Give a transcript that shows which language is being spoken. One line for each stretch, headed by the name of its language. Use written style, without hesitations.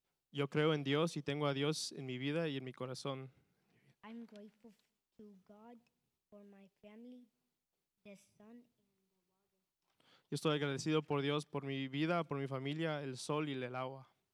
Spanish: Yo creo en Dios y tengo a Dios en mi vida y en mi corazón.
English: I'm grateful to God for my family, the sun and the water.
Spanish: Yo estoy agradecido por Dios, por mi vida, por mi familia, el sol y el agua.